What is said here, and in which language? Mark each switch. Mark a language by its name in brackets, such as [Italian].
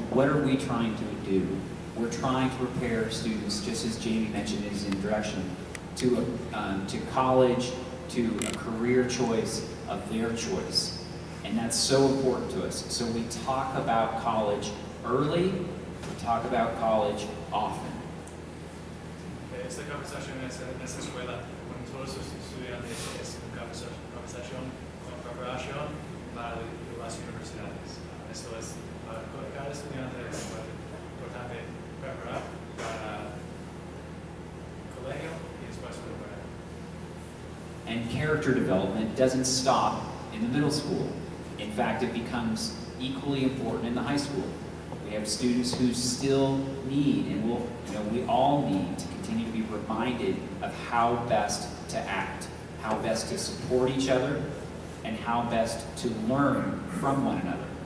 [English] What are we trying to do? We're trying to prepare students, just as Jamie mentioned in his introduction, to college, to a career choice of their choice. And that's so important to us. So we talk about college early, we talk about college often. [Spanish] Okay, esta conversación es en esta escuela con todos los estudiantes, es una conversación con preparación para las universidades. Esto es para cada estudiante, es importante preparar para colegio y después preparar. [English] And character development doesn't stop in the middle school. In fact, it becomes equally important in the high school. We have students who still need, and will, you know, we all need to continue to be reminded of how best to act, how best to support each other, and how best to learn from one another.